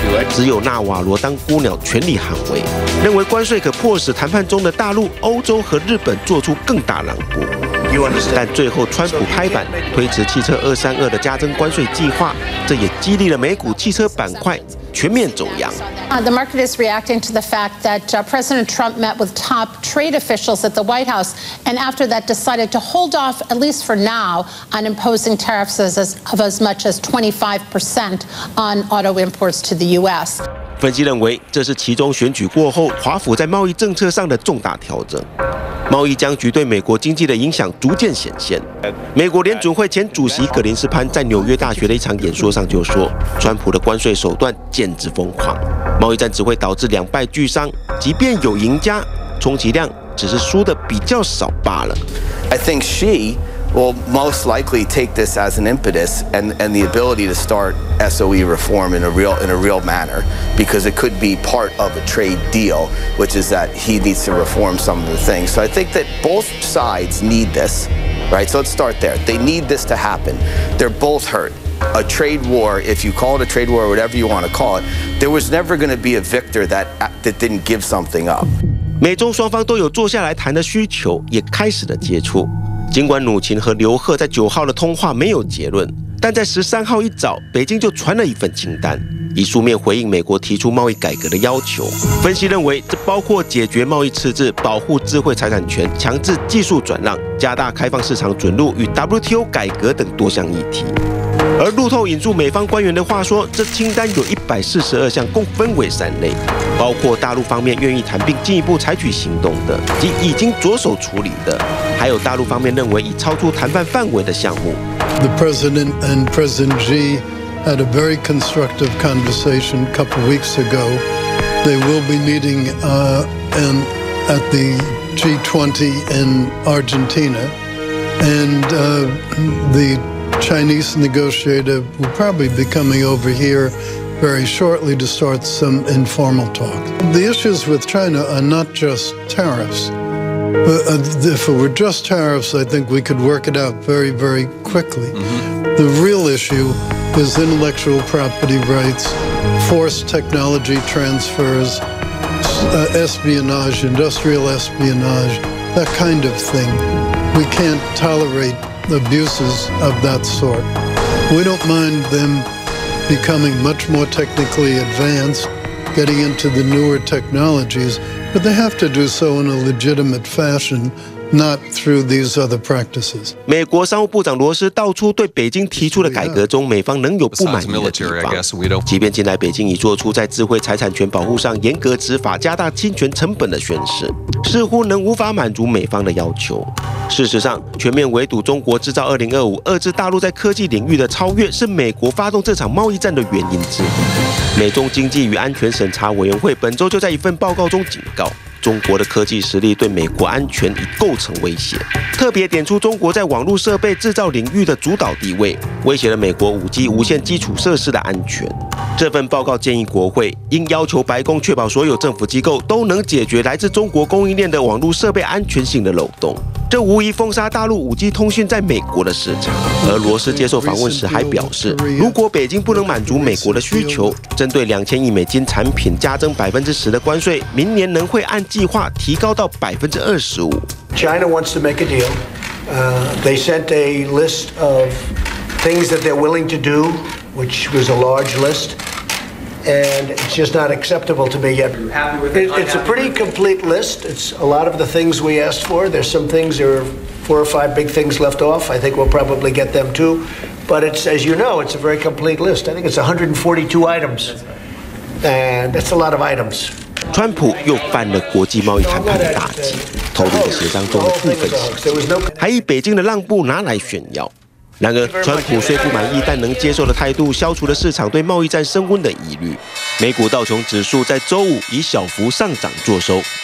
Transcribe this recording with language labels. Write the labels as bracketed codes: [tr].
[zh] 只有纳瓦罗当孤鸟全力捍卫，认为关税可迫使谈判中的大陆、欧洲和日本做出更大让步。但最后川普拍板推迟汽车232的加征关税计划，这也激励了美股汽车板块全面走扬。 [en] The market is reacting to the fact that President Trump met with top trade officials at the White House, and after that decided to hold off at least for now on imposing tariffs of as much as 25% on auto imports to the U.S. [zh] 分析认为，这是其中选举过后华府在贸易政策上的重大调整。贸易僵局对美国经济的影响逐渐显现。美国联准会前主席葛林斯潘在纽约大学的一场演说上就说，川普的关税手段简直疯狂，贸易战只会导致两败俱伤，即便有赢家，充其量只是输得比较少罢了。 [en] I think she will most likely take this as an impetus and the ability to start SOE reform in a real manner, because it could be part of a trade deal, which is that he needs to reform some of the things. So I think that both sides need this, right? So let's start there. They need this to happen. They're both hurt. A trade war, if you call it a trade war, whatever you want to call it, there was never going to be a victor that didn't give something up. [zh] 美中双方都有坐下来谈的需求，也开始了接触。尽管努钦和刘鹤在9号的通话没有结论，但在13号一早，北京就传了一份清单，以书面回应美国提出贸易改革的要求。分析认为，这包括解决贸易赤字、保护智慧财产权、强制技术转让、加大开放市场准入与 WTO 改革等多项议题。而路透引述美方官员的话说，这清单有142项，共分为三类，包括大陆方面愿意谈并进一步采取行动的，即已经着手处理的，还有大陆方面认为已超出谈判范围的项目。 [en] The President and President Xi had a very constructive conversation a couple of weeks ago. They will be meeting at the G20 in Argentina, and the. Chinese negotiator will probably be coming over here very shortly to start some informal talk. The issues with China are not just tariffs. But, if it were just tariffs, I think we could work it out very, very quickly. Mm-hmm. The real issue is intellectual property rights, forced technology transfers, espionage, industrial espionage, that kind of thing. We can't tolerate. Abuses of that sort. We don't mind them becoming much more technically advanced, getting into the newer technologies, but they have to do so in a legitimate fashion, not through these other practices. [zh] 美国商务部长罗斯道出对北京提出的改革中，美方能有不满意的地方。即便近来北京已做出在智慧财产权保护上严格执法、加大侵权成本的宣示，似乎能无法满足美方的要求。事实上，全面围堵中国制造2025，遏制大陆在科技领域的超越，是美国发动这场贸易战的原因之一。美中经济与安全审查委员会本周就在一份报告中警告，中国的科技实力对美国安全已构成威胁，特别点出中国在网络设备制造领域的主导地位，威胁了美国 5G 无线基础设施的安全。这份报告建议国会应要求白宫确保所有政府机构都能解决来自中国供应链的网络设备安全性的漏洞，这无疑封杀大陆 5G 通讯在美国的市场。而罗斯接受访问时还表示，如果北京不能满足美国的需求，针对2000亿美金产品加征10%的关税，明年能会按计划提高到25%。 [en] China wants to make a deal. They sent a list of things that they're willing to do, which was a large list, and it's just not acceptable to me yet. It's a pretty complete list. It's a lot of the things we asked for. There's some things, there are 4 or 5 big things left off. I think we'll probably get them too. But it's, as you know, it's a very complete list. I think it's 142 items, and that's a lot of items. [zh] 川普又犯了国际贸易谈判的大忌，偷渡的协商中的部分信息，还以北京的让步拿来炫耀。然而，川普虽不满意，但能接受的态度消除了市场对贸易战升温的疑虑。美股道琼指数在周五以小幅上涨作收。